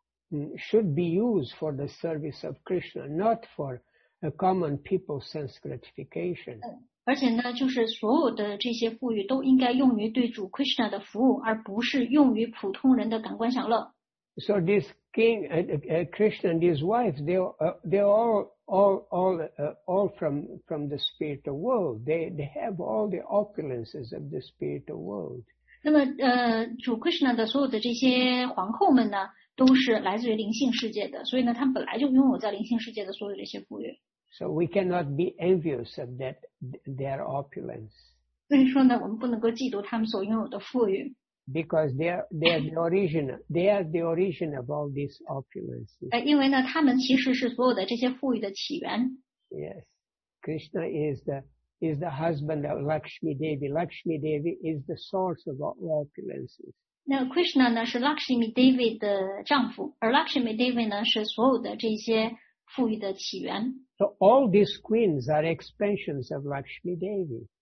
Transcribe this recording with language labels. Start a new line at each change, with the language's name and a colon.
English: Should be used for the service of Krishna, not for a common people's sense gratification.
Chinese: 而且呢，就是所有的这些富裕都应该用于对主 Krishna 的服务，而不是用于普通人的感官享乐。
English: So this king, Krishna and his wife, they're all from the spiritual world. They have all the opulences of the spiritual world.
Chinese: 那么，主 Krishna 的所有的这些皇后们呢，都是来自于灵性世界的，所以呢，他们本来就拥有在灵性世界的所有这些富裕。
English: So we cannot be envious of their opulence.
Chinese: 所以说呢，我们不能够嫉妒他们所拥有的富裕。
English: Because they are the origin of all these opulences.
Chinese: 因为呢，他们其实是所有的这些富裕的起源。
English: Yes, Krishna is the husband of Lakshmi Devi. Lakshmi Devi is the source of all opulences.
Chinese: 那 Krishna 呢，是 Lakshmi Devi 的丈夫，而 Lakshmi Devi 呢，是所有的这些富裕的起源。
English: So all these queens are expansions of Lakshmi Devi.